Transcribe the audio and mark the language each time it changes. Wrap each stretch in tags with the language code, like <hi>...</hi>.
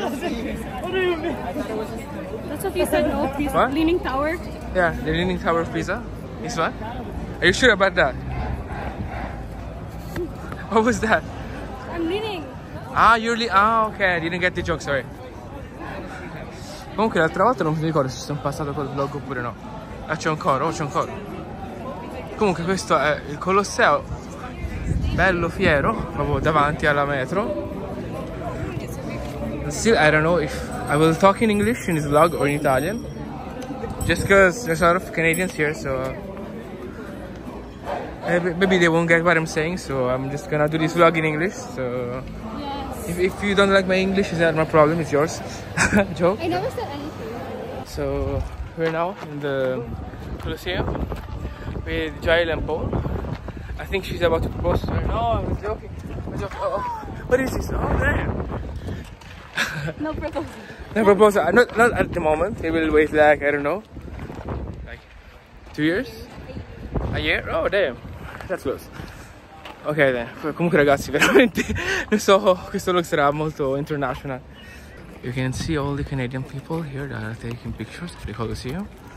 <en>What do you mean? That's what you said, no? Pisa. What? Leaning Tower. Yeah, the Leaning Tower of Pisa. This one? Are you sure about that? What was that? I'm leaning. Ah, you're leaning. Ah, okay, I didn't get the joke, sorry.</en> <it>Comunque l'altra volta non mi ricordo se sono passato col vlog oppure no. Ah, c'è un coro. Comunque questo è il Colosseo. Bello fiero, proprio davanti alla metro.</it> <en>Still, I don't know if I will talk in English in this vlog or in Italian. Just because there's a lot of Canadians here, so... Maybe they won't get what I'm saying, so I'm just gonna do this vlog in English, so... If you don't like my English, it's not my problem, it's yours. Joke? I never said anything. So, we're now in the Colosseum with Jael and Paul. I think she's about to propose to her. No, I'm joking. What is this? Oh, man! No proposal. Not at the moment. It will wait like, I don't know. Like, 2 years? A year? Oh, damn. That's close. Ok then.</en> <it>Comunque ragazzi, veramente non so, questo look sarà molto international.</it> <en>You can see all the Canadian people here that are taking pictures of the Colosseum.</en>